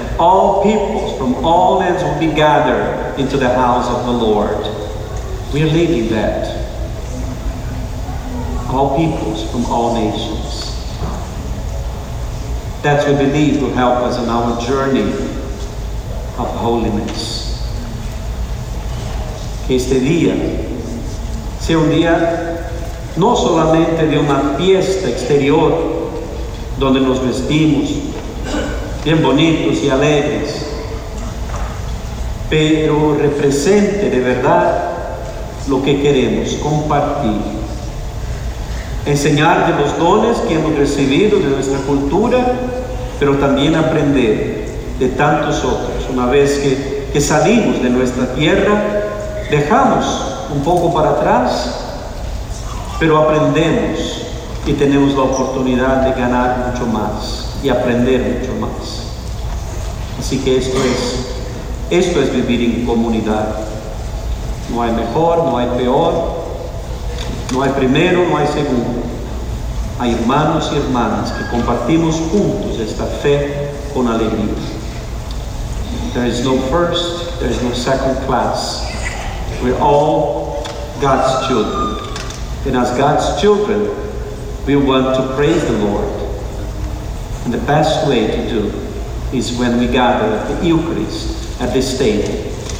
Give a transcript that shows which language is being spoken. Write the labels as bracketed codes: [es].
[en] All peoples from all lands will be gathered into the house of the Lord. We are living that. All peoples from all nations. That we believe will help us in our journey of holiness. [es] Que este día sea un día no solamente de una fiesta exterior donde nos vestimos bien bonitos y alegres, pero represente de verdad lo que queremos compartir, enseñar de los dones que hemos recibido de nuestra cultura, pero también aprender de tantos otros. Una vez que salimos de nuestra tierra, dejamos un poco para atrás, pero aprendemos y tenemos la oportunidad de ganar mucho más y aprender mucho más. Así que esto es vivir en comunidad. No hay mejor, no hay peor, no hay primero, no hay segundo. Hay hermanos y hermanas que compartimos juntos esta fe con alegría. [en] There is no first, there is no second class. We're all God's children. And as God's children, we want to praise the Lord. And the best way to do is when we gather at the Eucharist, at this table.